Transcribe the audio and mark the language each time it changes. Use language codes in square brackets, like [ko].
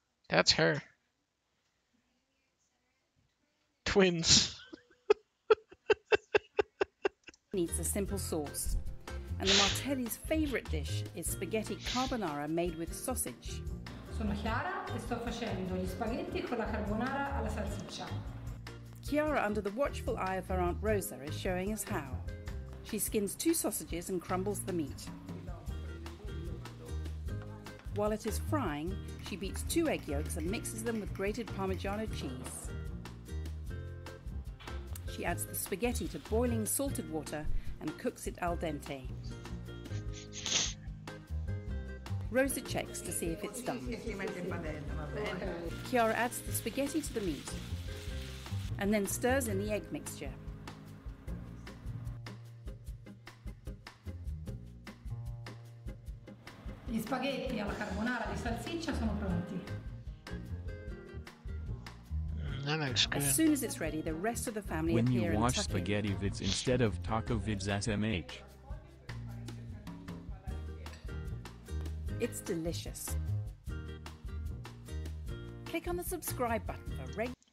[en] That's her. Twins. Needs a simple sauce. And the Martelli's favorite dish is spaghetti carbonara made with sausage. [it] Sono Chiara e sto facendo gli spaghetti con la carbonara alla salsiccia. [en] Chiara, under the watchful eye of her Aunt Rosa, is showing us how. She skins 2 sausages and crumbles the meat. While it is frying, she beats two egg yolks and mixes them with grated Parmigiano cheese. She adds the spaghetti to boiling salted water and cooks it al dente. Rosa checks to see if it's done. Chiara adds the spaghetti to the meat and then stirs in the egg mixture. [it] Gli spaghetti alla carbonara di salsiccia sono pronti. [en] That looks good. As soon as it's ready, the rest of the family appear and tuck in. When you watch spaghetti vids instead of taco vids, SMH. It's delicious. Click on the subscribe button for